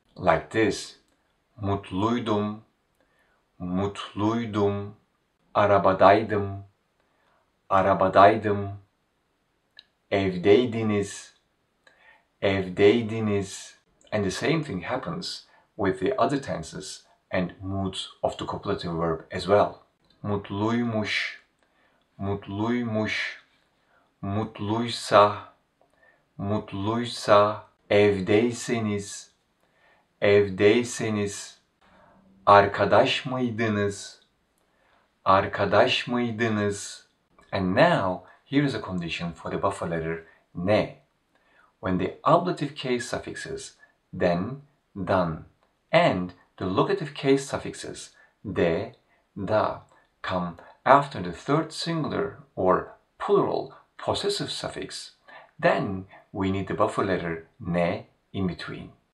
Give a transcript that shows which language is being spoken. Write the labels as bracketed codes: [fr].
[en] Like this, [tr] mutluydum, mutluydum, arabadaydım, arabadaydım, evdeydiniz, evdeydiniz. [en] And the same thing happens with the other tenses and moods of the copulative verb as well. [tr] Mutluymuş, mutluymuş, mutluysa, mutluysa, evdeyseniz, evdeyseniz, arkadaş mıydınız, arkadaş mıydınız. [en] And now, here is a condition for the buffer letter ne. When the ablative case suffixes den, dan, and the locative case suffixes de, da, come after the third singular or plural possessive suffix, then we need the buffer letter ne in between.